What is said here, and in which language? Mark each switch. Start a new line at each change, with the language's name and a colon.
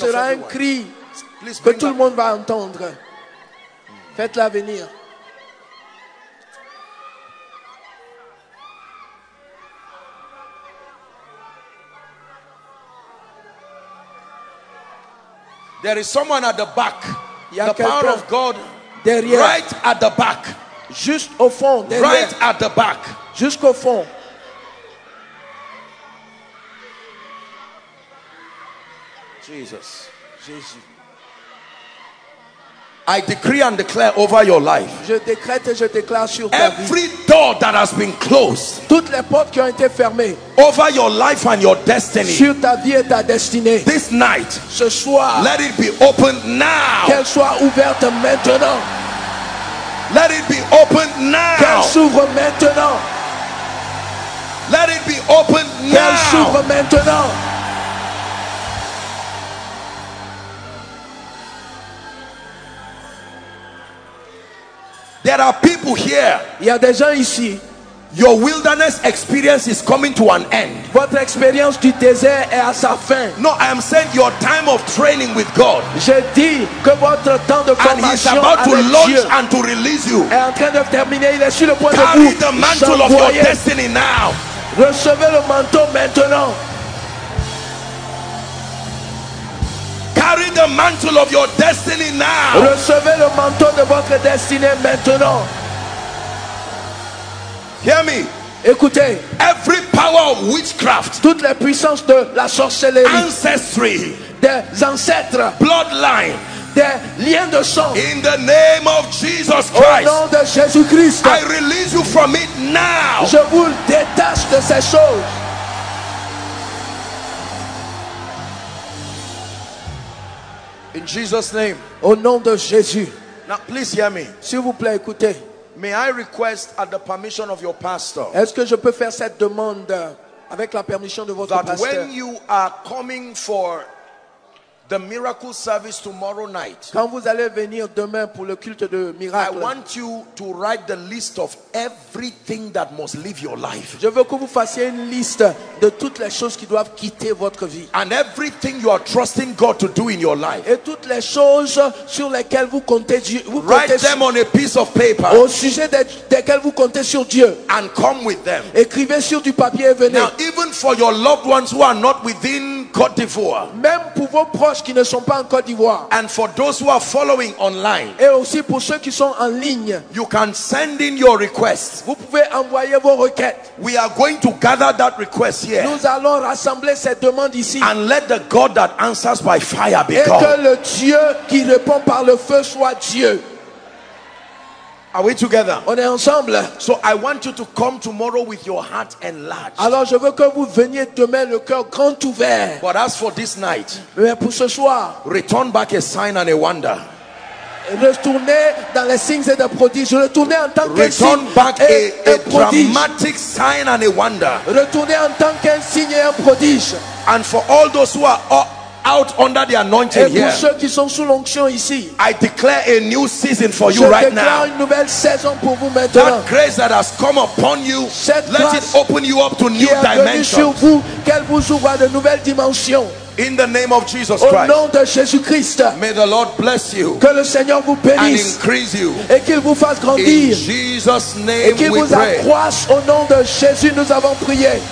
French: Ce sera un cri que tout le monde va entendre. Faites-la venir.
English: There is someone at the back.
French: Y'a
English: the power of God
French: derrière.
English: Right at the back.
French: Juste au fond. Derrière.
English: Right at the back.
French: Jusqu'au fond.
English: Jesus.
French: Jésus.
English: I decree and declare over your life.
French: Je décrète et je déclare sur ta vie.
English: Every door that has been closed.
French: Toutes les portes qui ont été fermées.
English: Over your life and your destiny.
French: Sur ta vie et ta destinée.
English: This night.
French: Ce soir.
English: Let it be opened now.
French: Qu'elle soit ouverte maintenant.
English: Let it be opened now.
French: Qu'elle s'ouvre maintenant.
English: Let it be opened now.
French: Qu'elle s'ouvre maintenant.
English: There are people here.
French: Il y a des gens ici.
English: Your wilderness experience is coming to an end.
French: Votre expérience du désert est à sa fin.
English: No, I am saying your time of training with God.
French: Je dis que votre temps de formation
English: And he's about to launch and to release you.
French: Est en train de terminer. Il est sur le point
English: carry
French: de vous.
English: Carry the mantle of your destiny now.
French: Recevez le manteau maintenant.
English: Carry the mantle of your destiny now.
French: Recevez le manteau de votre destinée maintenant.
English: Hear me.
French: Écoutez.
English: Every power of witchcraft.
French: Toutes les puissances de la sorcellerie.
English: Ancestry.
French: Des ancêtres.
English: Bloodline.
French: Des liens de sang.
English: In the name of Jesus Christ.
French: Au nom de Jésus Christ.
English: I release you from it now.
French: Je vous détache de ces choses.
English: In Jesus' name.
French: Au nom de Jésus.
English: Now, please hear me.
French: S'il vous plaît, écoutez.
English: May I request at the permission of your pastor?
French: Est-ce que je peux faire cette demande avec la permission de votre
English: that
French: pasteur?
English: That when you are coming for the miracle service tomorrow night.
French: Quand vous allez venir demain pour le culte de miracle.
English: I want you to write the list of everything that must leave your life.
French: Je veux que vous fassiez une liste de toutes les choses qui doivent quitter votre vie.
English: And everything you are trusting God to do in your life.
French: Et toutes les choses sur lesquelles vous comptez Dieu.
English: Write them on a piece of paper.
French: Au sujet desquelles vous comptez sur Dieu.
English: And come with them.
French: Écrivez sur du papier et venez.
English: Now even for your loved ones who are not within Côte d'Ivoire.
French: Même pour vos proches qui ne sont pas en Côte d'Ivoire.
English: And for those who are following online.
French: Et aussi pour ceux qui sont en ligne.
English: You can send in your requests.
French: Vous pouvez envoyer vos requêtes.
English: We are going to gather that request here.
French: Nous allons rassembler cette demande ici.
English: And let the God that answers by fire be
French: et
English: God.
French: Et que le Dieu qui répond par le feu soit Dieu.
English: Are we together?
French: On est ensemble.
English: So I want you to come tomorrow with your heart enlarged.
French: Alors je veux que vous veniez demain le cœur grand ouvert.
English: But as for this night,
French: mais pour ce soir,
English: return back a sign and a wonder.
French: retourner dans les signes et des prodiges. Je retournais en tant qu'un signe
English: back
French: et prodige.
English: Dramatic sign and a wonder.
French: Retourner en tant qu'un signe et un prodige.
English: And for all those who are out under the anointing
French: et pour
English: here,
French: ceux qui sont sous l'onction ici,
English: I declare a new season for
French: je
English: you right now.
French: Une nouvelle saison pour vous maintenant.
English: That grace that has come upon you,
French: cette
English: let it open you up to new dimensions.
French: Sur vous, qu'elle vous ouvre de nouvelles dimensions.
English: In the name of Jesus
French: au
English: Christ.
French: Nom de Jésus Christ.
English: May the Lord bless you.
French: Que le Seigneur vous bénisse.
English: And increase you.
French: Et qu'il vous fasse grandir.
English: In Jesus name
French: et qu'il
English: we
French: vous
English: pray.
French: Accroisse. Au nom de Jésus, nous avons prié.